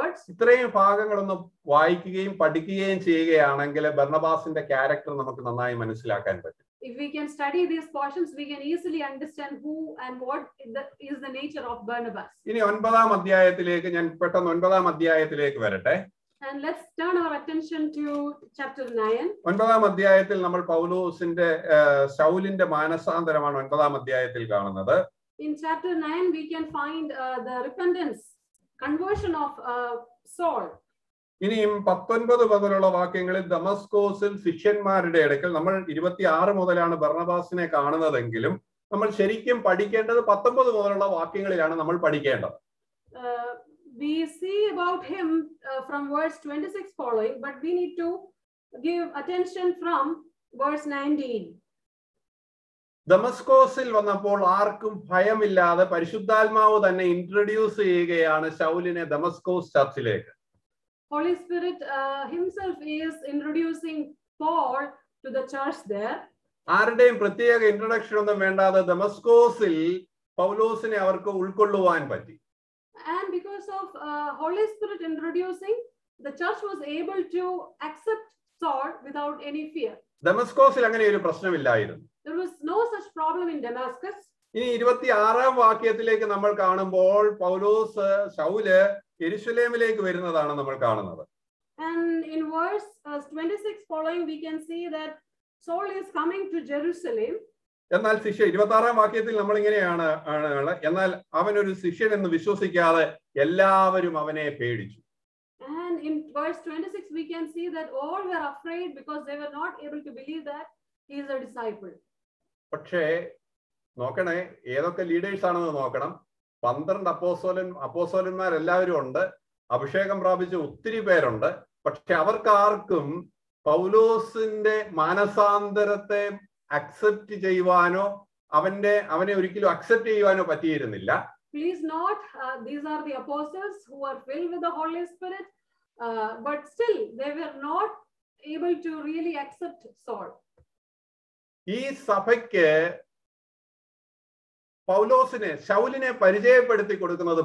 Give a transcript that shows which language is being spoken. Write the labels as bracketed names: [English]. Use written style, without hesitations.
[Malayalam] ഇത്രയും ഭാഗങ്ങൾ ഒന്ന് വായിക്കുകയും പഠിക്കുകയും ചെയ്യുകയാണെങ്കിൽ ബർണബാസിന്റെ ക്യാരക്ടർ നമുക്ക് നന്നായി മനസ്സിലാക്കാൻ പറ്റും. [English] If we can study these portions, we can easily understand who and what is the nature of Barnabas. [Malayalam] ഇനി 9 അധ്യായത്തിലേക്ക് ഞാൻ പെട്ടെന്ന് 9 അധ്യായത്തിലേക്ക് വരട്ടെ. [English] And let's turn our attention to chapter 9. [Malayalam] 9 അധ്യായത്തിൽ നമ്മൾ പൗലോസിന്റെ സൗലിന്റെ മാനസാന്തരമാണ് 9 അധ്യായത്തിൽ കാണുന്നത്. [English] In chapter 9 we can find the repentance, conversion of Saul. [Malayalam] ഇനിയും 19 മുതലുള്ള വാക്യങ്ങളിൽ ദമസ്കോസിൽ ശിഷ്യന്മാരുടെ അടുക്കൽ നമ്മൾ 26 മുതലാണ് ബർണബാസിനെ കാണുന്നതെങ്കിലും നമ്മൾ ശരിക്കും പഠിക്കേണ്ടത് 19 മുതലുള്ള വാക്യങ്ങളിലാണ് നമ്മൾ പഠിക്കേണ്ടത്. [English] We see about him from verse 26 following, but we need to give attention from verse 19. [Malayalam] ദമസ്കോസിൽ വന്നപ്പോൾ ആർക്കും ഭയമില്ലാതെ പരിശുദ്ധാത്മാവ് തന്നെ ഇൻട്രൊഡ്യൂസ് ചെയ്യുകയാണ് ശൗലിനെ Damascus ചർച്ചിലേക്ക്. [English] Holy Spirit himself is introducing Paul to the church there. [Malayalam] ആരുടെയും പ്രത്യേക ഇൻട്രൊഡക്ഷൻ ഒന്നും വേണ്ടാതെ ദമസ്കോസിൽ പൗലോസിനെ അവർക്ക് ഉൾക്കൊള്ളുവാൻ പറ്റി. [English] And because of Holy Spirit introducing, the church was able to accept Saul without any fear. [Malayalam] ദമസ്കോസിൽ അങ്ങനെ ഒരു പ്രശ്നമില്ലായിരുന്നു. [English] There was no such problem in Damascus. [Malayalam] ഇനി 26 വാക്യത്തിലേക്ക് നമ്മൾ കാണുമ്പോൾ പൗലോസ് ശൗല് യെരുശലേമിലേക്ക് വരുന്നതാണ് നമ്മൾ കാണുന്നത്. [English] And in verse 26 following we can see that Saul is coming to Jerusalem. [Malayalam] എന്നാൽ ശിഷ്യ 26 വാക്യത്തിൽ നമ്മൾ ഇങ്ങനെയാണ്, എന്നാൽ അവൻ ഒരു ശിഷ്യൻ എന്ന് വിശ്വസിക്കാതെ എല്ലാവരും അവനെ പേടിച്ചു. [English] And in verse 26 we can see that all were afraid because they were not able to believe that he is a disciple. [Malayalam] പക്ഷേ നോക്കണേ, ഏതൊക്കെ ലീഡേഴ്സ് ആണെന്ന് നോക്കണം. 12 അപ്പോസ്തലന്മാർ എല്ലാവരും ഉണ്ട്, അഭിഷേകം പ്രാപിച്ച ഒത്തിരി പേരുണ്ട്, പക്ഷെ അവർക്കാർക്കും പൗലോസിന്റെ മാനസാന്തരത്തെ അക്സെപ്റ്റ് ചെയ്യുവാനോ അവന്റെ അവനെ ഒരിക്കലും അക്സെപ്റ്റ് ചെയ്യുവാനോ പറ്റിയിരുന്നില്ല. [English] Please note, these are the apostles who are filled with the Holy Spirit, but still they were not able to really accept Saul. [Malayalam] ഈ സഭയ്ക്ക് പൗലോസിനെ ശൗലിനെ പരിചയപ്പെടുത്തി കൊടുക്കുന്നത്